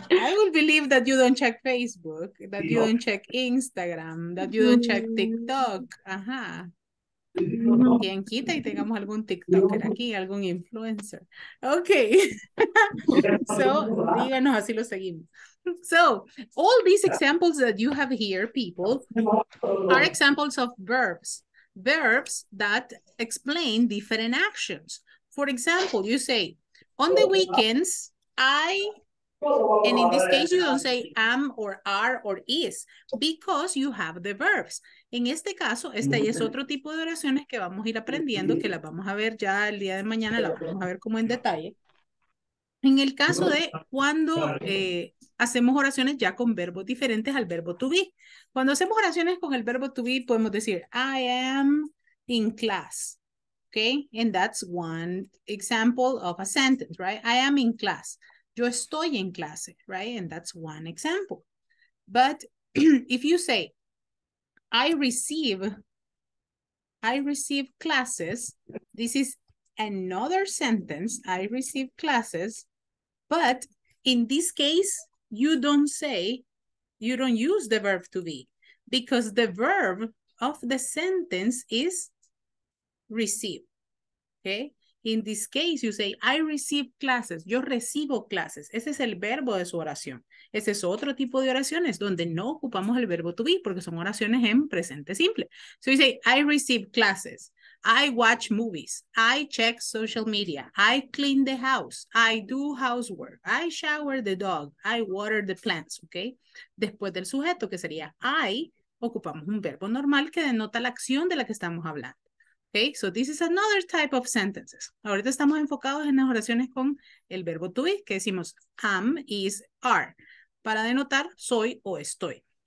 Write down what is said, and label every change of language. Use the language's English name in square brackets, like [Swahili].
[English] I will believe that you don't check Facebook, that you don't check Instagram, that you don't check TikTok. Ajá. [Spanish] Quien quita y tengamos algún TikToker aquí, algún influencer. [English] Okay. So, [Spanish] díganos, así lo seguimos. [English] So, all these examples that you have here, people, are examples of verbs. Verbs that explain different actions. For example, you say, on the weekends, I, and in this case, you don't say am or are or is, because you have the verbs. [Spanish] En este caso, esta ya es otro tipo de oraciones que vamos a ir aprendiendo, que las vamos a ver ya el día de mañana, las vamos a ver como en detalle. En el caso de cuando hacemos oraciones ya con verbos diferentes al verbo to be. Cuando hacemos oraciones con el verbo to be, podemos decir, [English] I am in class. Okay, and that's one example of a sentence, right? I am in class. [Spanish] Yo estoy en clase, [English] right? And that's one example. But if you say, I receive classes, this is another sentence, I receive classes, but in this case, you don't say, you don't use the verb to be, because the verb of the sentence is receive, okay? In this case, you say, I receive classes, [Spanish] yo recibo clases, ese es el verbo de su oración. Ese es otro tipo de oraciones donde no ocupamos el verbo to be porque son oraciones en presente simple. [English] So you say, I receive classes, I watch movies, I check social media, I clean the house, I do housework, I shower the dog, I water the plants, okay? [Spanish] Después del sujeto que sería I, ocupamos un verbo normal que denota la acción de la que estamos hablando. [English] Okay, so this is another type of sentences. [Spanish] Ahorita estamos enfocados en las oraciones con el verbo to be, que decimos am, is, are, para denotar soy o estoy.